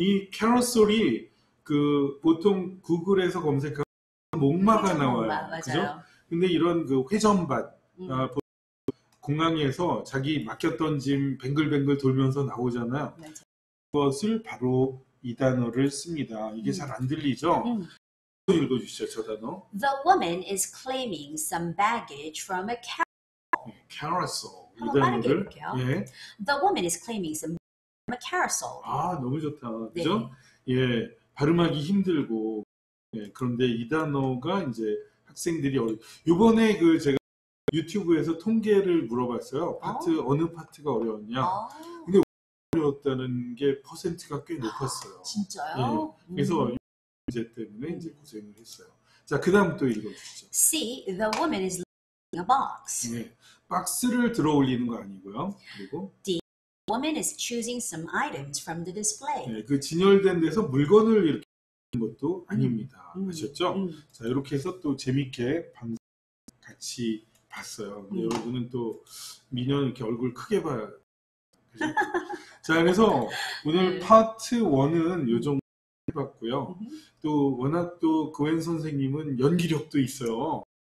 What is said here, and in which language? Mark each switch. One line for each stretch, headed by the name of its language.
Korean: 이 캐러솔이 그 보통 구글에서 검색하면 목마가 나와요. 맞아요. 그죠? 근데 이런 그 회전밭 공항에서 자기 맡겼던 짐 뱅글뱅글 돌면서 나오잖아요. 맞아. 그것을 바로 이 단어를 씁니다. 이게 잘 안 들리죠? 읽어주시죠, 저 단어.
English: The woman is claiming some baggage from a carousel.
Korean: 이 단어를. 예.
English: The woman is claiming some baggage from a carousel.
Korean: 아, 너무 좋다. 그죠? 네. 예. 발음하기 힘들고. 예. 그런데 이 단어가 이제 학생들이 요번에 그 제가 유튜브에서 통계를 물어봤어요. 어느 파트가 어려웠냐. 근데 어려웠다는 게 퍼센트가 꽤 높았어요. 진짜요? 네. 그래서 문제 때문에 이제 고생을 했어요. 자, 그 다음 또 읽어주시죠.
English: C. The woman is lifting a box.
Korean: 네. 박스를 들어 올리는 거 아니고요. 그리고
English: D. woman is choosing some items from the display.
Korean: 네, 그 진열된 데서 물건을 이렇게 하는 것도 아닙니다. 아셨죠? 자, 이렇게 해서 또 재밌게 방송 같이 봤어요. 여러분은 또 미녀 이렇게 얼굴 크게 봐요. 자, 그래서 오늘 네. 파트 1은 요 정도 해봤고요. 또 워낙 또 고엔 선생님은 연기력도 있어요.